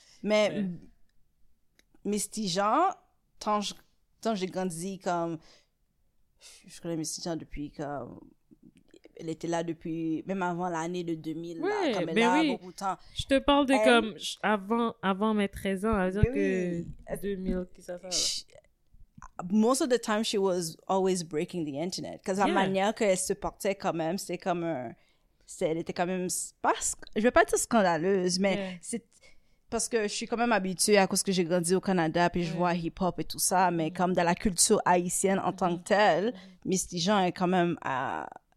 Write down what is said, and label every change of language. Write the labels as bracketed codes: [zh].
[fr] Mais Miss Tijan, tant j'ai grandi comme je connais Miss Tijan depuis comme elle était là depuis même avant l'année de 2000 ouais, là, comme elle ben a oui. beaucoup de temps. Je te parle de comme avant mes 13 ans, à dire que 2000 qui ça. [en] Most of the time, she was always breaking the internet. [fr] Parce que la manière qu'elle se portait quand même, c'était comme un... Elle était quand même... Je vais pas être scandaleuse, mais c'est... Parce que je suis quand même habituée à cause que j'ai grandi au Canada, puis je vois hip-hop et tout ça, mais comme dans la culture haïtienne en tant que telle, Miss Tijan est quand même à...